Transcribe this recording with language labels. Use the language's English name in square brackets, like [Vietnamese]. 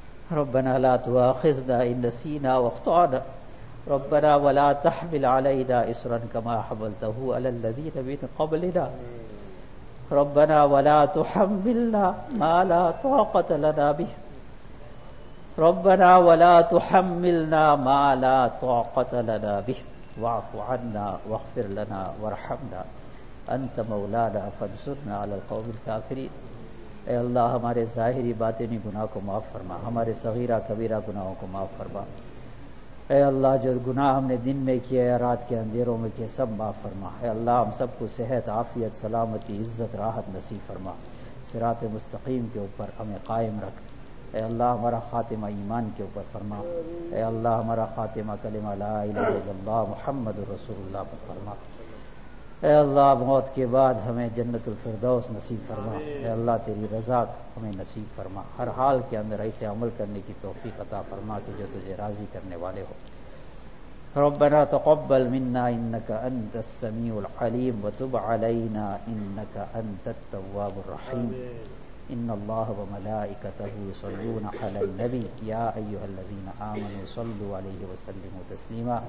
[Arabic] ربنا لا تؤاخذنا إن نسينا واخطأنا ربنا ولا تحمل علينا إصرا كما حملته على الذين من قبلنا ربنا ولا تحملنا ما لا طاقة لنا به ربنا ولا تحملنا ما لا طاقة لنا به واعف عنا واغفر لنا وارحمنا أنت مولانا فانصرنا على القوم الكافرين. [Urdu] اے اللہ ہمارے ظاہری باطنی گناہ کو معاف فرما, ہمارے صغیرہ کبیرہ گناہوں کو معاف فرما. اے اللہ جو گناہ ہم نے دن میں کیا یا رات کے اندھیروں میں کیا سب معاف فرما. اے اللہ ہم سب کو صحت عافیت سلامتی عزت راحت نصیب فرما, صراط مستقیم کے اوپر ہمیں قائم رکھ. اے اللہ ہمارا خاتمہ ایمان کے اوپر فرما. اے اللہ ہمارا خاتمہ کلمہ [Arabic] لا الہ الا اللہ محمد رسول اللہ [Urdu] پر فرما. اے اللہ موت کے بعد ہمیں جنت الفردوس نصیب فرما. اے اللہ تیری رضا ہمیں نصیب فرما, ہر حال کے اندر ایسے عمل کرنے کی توفیق عطا فرما کہ جو تجھے راضی کرنے والے ہو. [Arabic] ربنا تقبل منا انك انت السميع العليم وتب علينا انك انت التواب الرحيم. ان الله وملائكته يصلون على النبي يا ايها الذين امنوا صلوا عليه وسلموا تسليما.